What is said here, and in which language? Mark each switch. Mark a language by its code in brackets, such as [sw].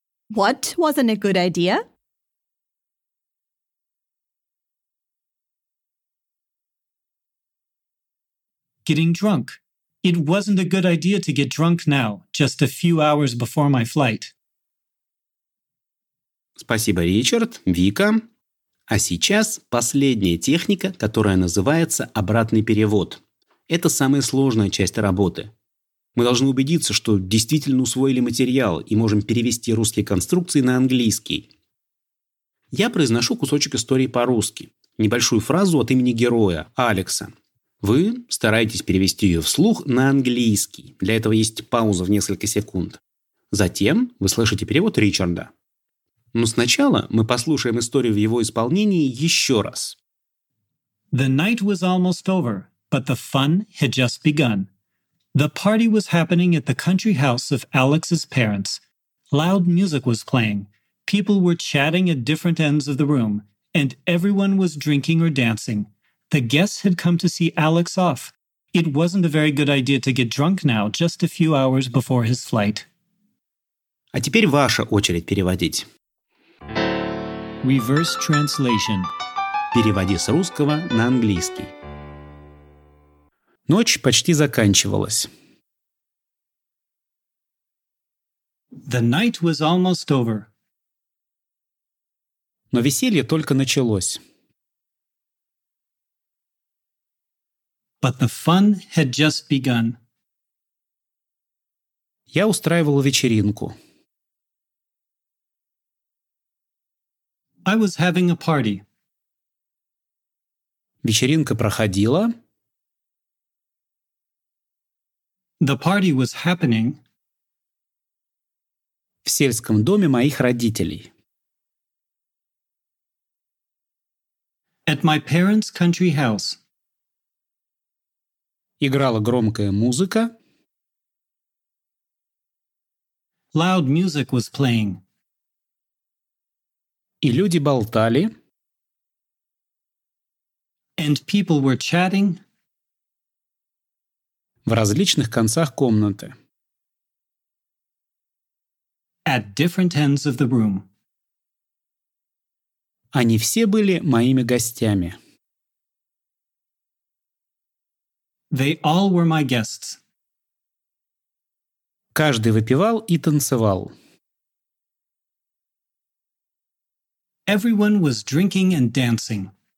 [en] What wasn't a good idea? Getting drunk. It wasn't a good idea to get drunk now, just a few hours before my flight. [ru] Спасибо, Ричард, Вика. А сейчас последняя техника, которая называется обратный перевод. Это самая сложная часть работы. Мы должны убедиться, что действительно усвоили материал и можем перевести русские конструкции на английский. Я произношу кусочек истории по-русски. Небольшую фразу от имени героя, Алекса. Вы стараетесь перевести ее вслух на английский. Для этого есть пауза в несколько секунд. Затем вы слышите перевод Ричарда. Но сначала мы послушаем историю в его исполнении еще раз. [en] The night was almost over, but the fun had just begun. The party was happening at the country house of Alex's parents. Loud music was playing. People were chatting at different ends of the room, and everyone was drinking or dancing. The guests had come to see Alex off. It wasn't a very good idea to get drunk now, just a few hours before his flight. [ru] А теперь ваша очередь переводить. [en] Reverse translation. [ru] Переводи с русского на английский. Ночь почти заканчивалась. [en] The night was almost over. [ru] Но веселье только началось. [en] But the fun had just begun. [ru] Я устраивал вечеринку. [en] I was having a party. [ru] Вечеринка проходила. [en] The party was happening. [ru] В сельском доме моих родителей. [en] At my parents' country house. [ru] Играла громкая музыка. [en] Loud music was playing. [ru] И люди болтали. [en] And people were chatting. [ru] В различных концах комнаты. [en] At different ends of the room. [ru] Они все были моими гостями. [en] They all were my guests. [ru] Каждый выпивал и танцевал. [en] Everyone was drinking and dancing.